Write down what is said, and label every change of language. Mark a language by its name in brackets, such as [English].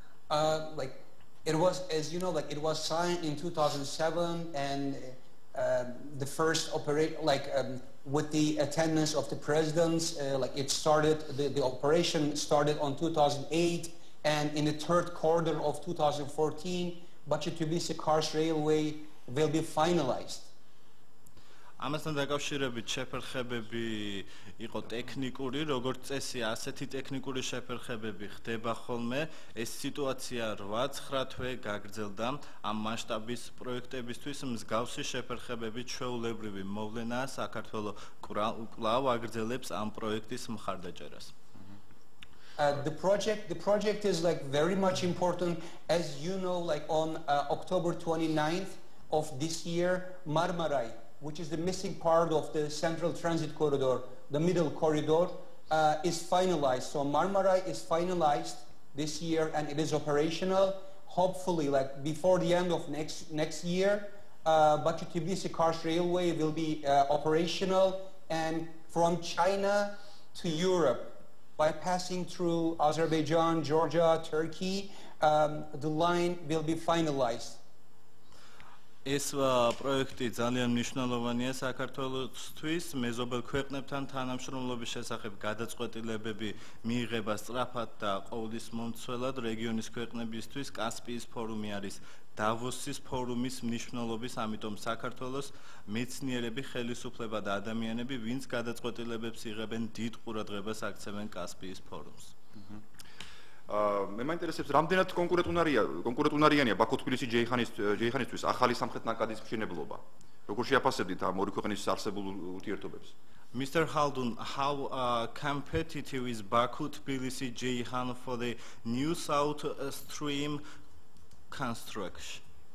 [English] Like it was, as you know, like it was signed in 2007, and the first operate, like with the attendance of the presidents, like it started, the operation started on 2008, and in the third quarter of 2014, Baku-Tbilisi cars railway will be finalized. [Georgian] ამასთან დაკავშირებით შეფერხებები იყო ტექნიკური, როგორც წესი ასეთი ტექნიკური შეფერხებები ხდება ხოლმე. ეს სიტუაცია 8-9 თვე გაგრძელდა. ამ მასშტაბის პროექტებისთვის მსგავსი შეფერხებები ჩვეულებრივი მოვლენაა. საქართველო კვლავ აგრძელებს ამ პროექტის მხარდაჭერას. [English] The project is like very much important, as you know, like on October 29th of this year, Marmaray, which is the missing part of the central transit corridor, the middle corridor, is finalized. So Marmaray is finalized this year and it is operational. Hopefully, like before the end of next year, Baku-Tbilisi cars railway will be operational, and from China to Europe, bypassing through Azerbaijan, Georgia, Turkey, the line will be finalized. [Georgian] ეს პროექტი ძალიან მნიშვნელოვანია საქართველოსთვის. მეზობელ ქვეყნებთან თანამშრომლობის შესახებ გადაწყვეტილებები მიიღება სწრაფად და ყოველთვის მომცველად. რეგიონის ქვეყნებისთვის კასპიის ფორუმი არის დავოსის ფორუმის მნიშვნელობის, ამიტომ საქართველოს მეცნიერები, ხელისუფლება და ადამიანები, ვინც გადაწყვეტილებებს იღებენ, დიდ ყურადღებას აქცევენ კასპიის ფორუმს. მე მაინტერესებს, რამდენად კონკურენტუნარიანია ბაქო-თბილისი ჯეიხანისთვის ახალი სამხრეთ ნაკადის მშენებლობა? როგორ შეაფასებდით ამ ორი ქვეყნის არსებულ ურთიერთობებს? [English] Mr. Haldun, how competitive is Baku-Tbilisi Jeyhan for the new south stream construction?